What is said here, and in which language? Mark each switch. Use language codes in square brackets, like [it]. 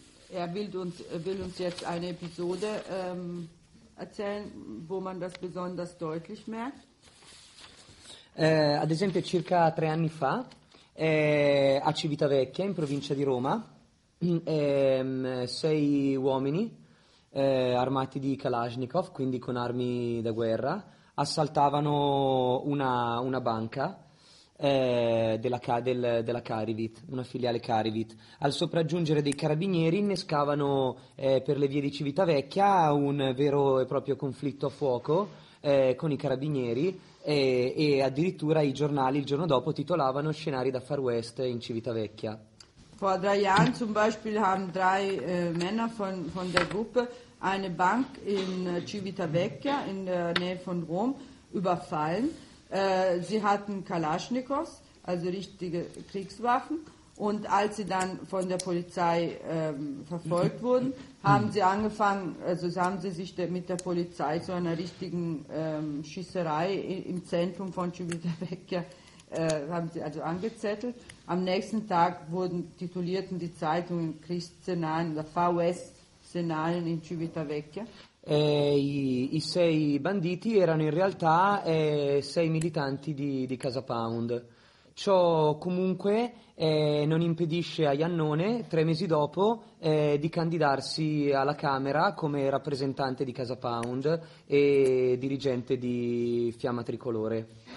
[de] Er will uns jetzt eine Episode erzählen, wo man das besonders deutlich merkt. [it] Ad esempio, circa tre anni fa, a Civitavecchia, in provincia di Roma, sei uomini armati di Kalashnikov, quindi con armi da guerra, assaltavano una banca della Carivit, una filiale Carivit. Al sopraggiungere dei carabinieri innescavano per le vie di Civitavecchia un vero e proprio conflitto a fuoco con i carabinieri e addirittura i giornali il giorno dopo titolavano scenari da Far West in Civitavecchia. [de] Vor drei Jahren zum Beispiel haben drei Männer von der Gruppe eine Bank in Civitavecchia in der Nähe von Rom überfallen. Sie hatten Kalaschnikows, also richtige Kriegswaffen, und als sie dann von der Polizei verfolgt wurden, haben sie angefangen, also haben sie sich mit der Polizei zu einer richtigen Schießerei im Zentrum von Civitavecchia haben sie also angezettelt. Am nächsten Tag titulierten die Zeitungen Kriegsszenarien oder VS-Szenarien in Civitavecchia. [it] I sei banditi erano in realtà sei militanti di Casa Pound, Ciò comunque non impedisce a Iannone, 3 mesi dopo, di candidarsi alla Camera come rappresentante di Casa Pound e dirigente di Fiamma Tricolore.